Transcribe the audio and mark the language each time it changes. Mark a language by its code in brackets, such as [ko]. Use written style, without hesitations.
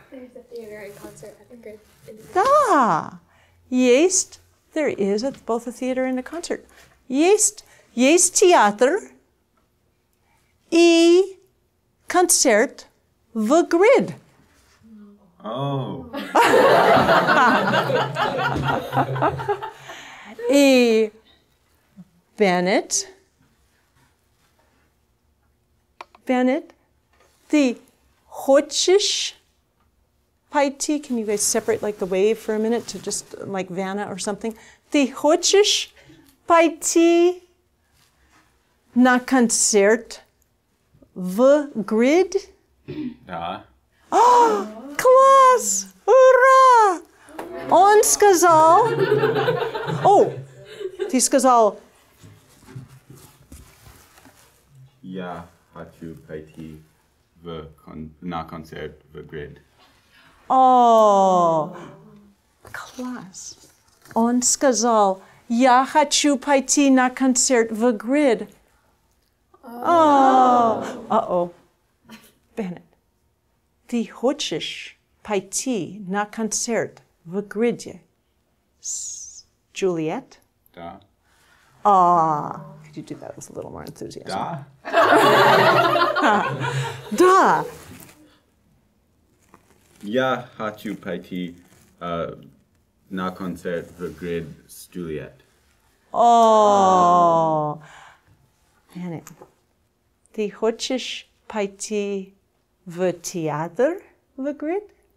[en] There's a theater and concert at the Grid. Yes, there is both a theater and a concert. [ru] есть театр и концерт в Grid. Oh. И Bennett, ты хочешь пойти? [en] Can you guys separate like the wave for a minute to just like Vanna or something? [ru] Ты хочешь пойти на концерт в Grid? Да. Oh, класс! Ура! Он сказал... Oh, ты сказал... Я хочу пойти в на концерт в Grid. Oh, класс! Он сказал, я хочу пойти на концерт в Grid. Oh, Bennett. Ты хочешь пойти на концерт в Grid? Juliet? Да. [en] Could you do that with a little more enthusiasm? [ru] Да. Да. Я хочу пойти на концерт в Grid с Juliet. Bennett. Ты хочешь пойти в театр в Grid?